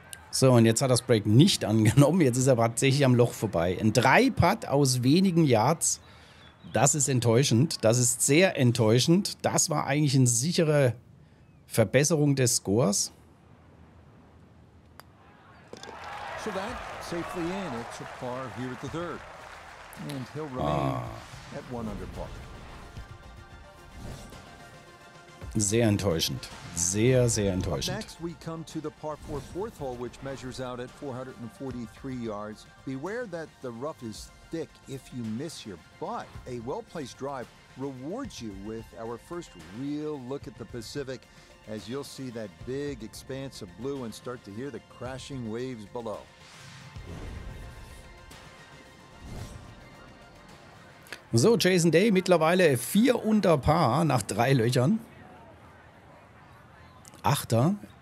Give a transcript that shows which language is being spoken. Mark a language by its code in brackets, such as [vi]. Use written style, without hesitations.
[de] So, und jetzt hat das Break nicht angenommen. Jetzt ist er tatsächlich am Loch vorbei. Ein 3-Putt aus wenigen Yards. Das ist enttäuschend. Das ist sehr enttäuschend. Das war eigentlich eine sichere Verbesserung des Scores. [en] So that, safely in, it's a par here at the third. And he'll remain at one under par. [de] Sehr enttäuschend. Sehr, sehr enttäuschend. [en] Next, we come to the par 4 fourth hole, which measures out at 443 yards. Beware that the rough is thick if you miss here, but a well-placed drive rewards you with our first real look at the Pacific, as you'll see that big expanse of blue and start to hear the crashing waves below. [de] So, Jason Day mittlerweile 4 unter Par nach 3 Löchern. Achter.